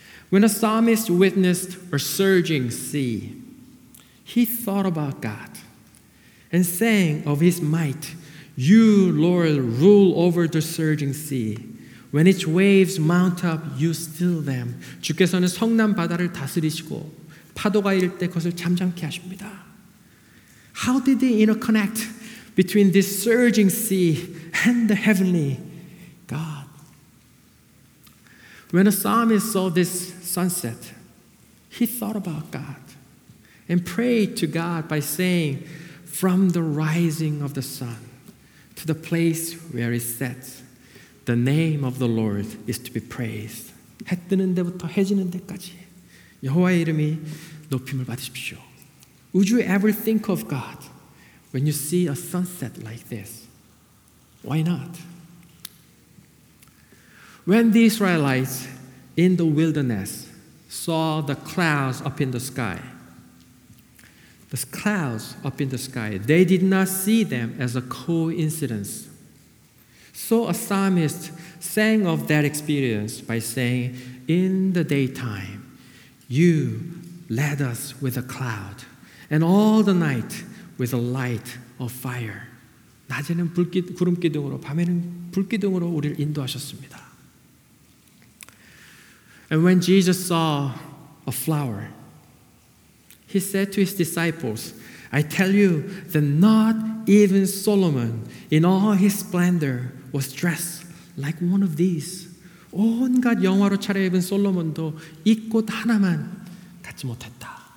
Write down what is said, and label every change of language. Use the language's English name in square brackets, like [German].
[English] When a psalmist witnessed a surging sea, he thought about God and sang of his might, you, Lord, rule over the surging sea. When its waves mount up, you still them. [Korean] 주께서는 성난 바다를 다스리시고 파도가 일 때 그것을 잠잠케 하십니다. [English] How did they interconnect between this surging sea and the heavenly God? When a psalmist saw this sunset, he thought about God and prayed to God by saying, from the rising of the sun to the place where it sets, the name of the Lord is to be praised. [Korean] 해 뜨는 데부터 해지는 데까지 여호와의 이름이 높임을 받으십시오. [English] Would you ever think of God when you see a sunset like this? Why not? When the Israelites in the wilderness saw the clouds up in the sky, they did not see them as a coincidence. So a psalmist sang of that experience by saying, in the daytime, you led us with a cloud, and all the night with a light of fire. [Korean] 낮에는 구름기둥으로, 밤에는 불기둥으로 우리를 인도하셨습니다. [English] And when Jesus saw a flower, he said to his disciples, I tell you that not even Solomon in all his splendor was dressed like one of these. [Korean] 온갖 영화로 차려입은 솔로몬도 이 꽃 하나만 갖지 못했다.